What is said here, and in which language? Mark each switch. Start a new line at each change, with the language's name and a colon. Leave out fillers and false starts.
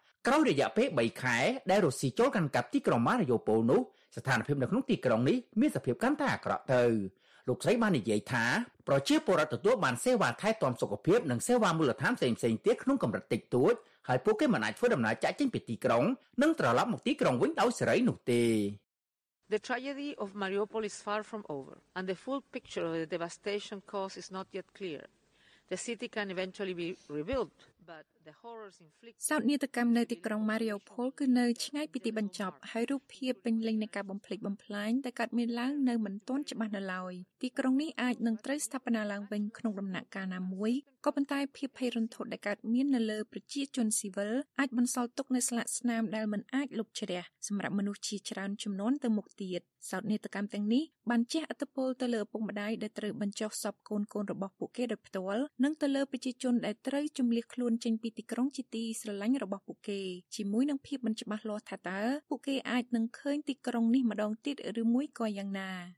Khmer: ក្រោយរយៈពេល3ខែដែលរុស្ស៊ីចូលកាន់កាប់ទីក្រុងម៉ារីយ៉ូប៉ូលនោះស្ថានភាពនៅក្នុងទីក្រុងនេះមានសភាពកាន់តែអាក្រក់ទៅលោកស្រីបាននិយាយថាប្រជាពលរដ្ឋទទួលបានសេវាថែទាំសុខភាពនិងសេវាមូលដ្ឋានផ្សេងៗទៀតក្នុងកម្រិតតិចតួចហើយពួកគេមិនអាចធ្វើដំណើរចាកចេញពីទីក្រុងនិងត្រឡប់មកទីក្រុងវិញដោយសេរីនោះទេ
English: The tragedy of Mariupol is far from over and the full picture of the devastation caused is not yet clear. The city can eventually be rebuilt but the horrors inflicted
Khmer: សោកនាដកម្មនៅទីក្រុង Mariupol គឺនៅឆ្ងាយពីទីបញ្ចប់ហើយរូបភាពពេញលេញនៃការបំផ្លិចបំផ្លាញដែលកើតមានឡើងនៅមិនទាន់ច្បាស់នៅឡើយទីក្រុងនេះអាចនឹងត្រូវស្ថាបនាឡើងវិញក្នុងដំណាក់កាលណាមួយ ក៏ប៉ុន្តែភាពភ័យរន្ធត់ដែលកើតមាននៅលើប្រជាជនស៊ីវិលអាចបន្សល់ទុកនូវស្លាកស្នាមដែលមិនអាចលុបជ្រះសម្រាប់មនុស្សជាច្រើនជំនាន់ទៅមុខទៀតសោកនាដកម្មទាំងនេះបានជះឥទ្ធិពលទៅលើឪពុកម្ដាយដែលត្រូវបញ្ចុះសពកូនកូនរបស់ពួកគេដោយផ្ទាល់និងទៅលើប្រជាជនដែលត្រូវជម្លៀសខ្លួនចេញពីទីក្រុងជាទីស្រឡាញ់របស់ពួកគេជាមួយនឹងភាពមិនច្បាស់លាស់ថាតើពួកគេអាចនឹងឃើញទីក្រុងនេះម្ដងទៀតឬមួយក៏យ៉ាងណា